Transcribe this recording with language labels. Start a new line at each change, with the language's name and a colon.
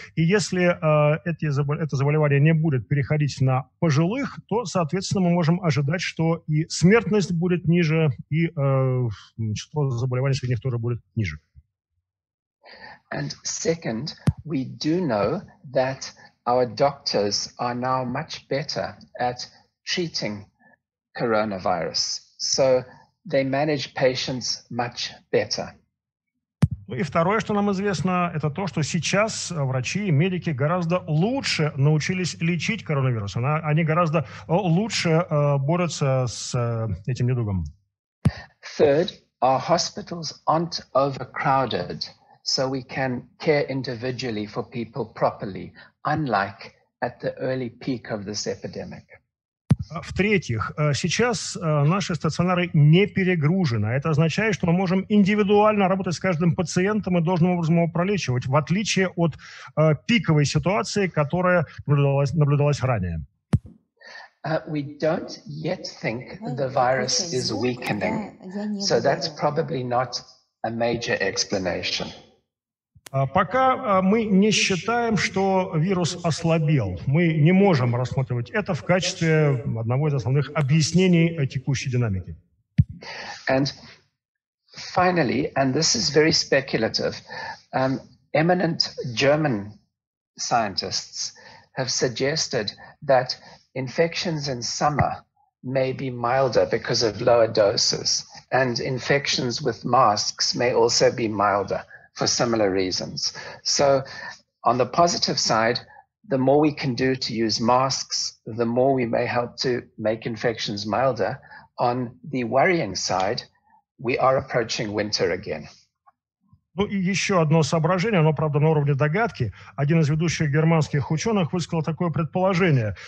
Russian: И если это заболевание не будет переходить на пожилых, то, соответственно, мы можем ожидать, что и смертность будет ниже, и число заболеваний среди них тоже будет ниже.
English: And second, we do know that our doctors are now much better at treating coronavirus. So they manage patients much better.
Russian: И второе, что нам известно, это то, что сейчас врачи и медики гораздо лучше научились лечить коронавирус. Они гораздо лучше борются с этим недугом.
English: Third, our hospitals aren't overcrowded, so we can care individually for people properly, unlike at the early peak of this epidemic.
Russian: В-третьих, сейчас наши стационары не перегружены. Это означает, что мы можем индивидуально работать с каждым пациентом и должным образом его пролечивать, в отличие от пиковой ситуации, которая наблюдалась ранее.
English: We don't yet think the virus is weakening, so that's probably not a major explanation.
Russian: Пока мы не считаем, что вирус ослабел. Мы не можем рассматривать это в качестве одного из основных объяснений текущей динамики.
English: And finally, and this is very speculative, eminent German scientists have suggested that infections in summer may be milder because of lower doses, and infections with masks may also be milder. For similar reasons. So, on the positive side, the more we can do to use masks, the more we may help to make infections milder. On the worrying side, we are approaching winter again.
Russian: Ну и еще одно соображение, оно, правда, на уровне догадки. Один из ведущих германских ученых высказал такое предположение.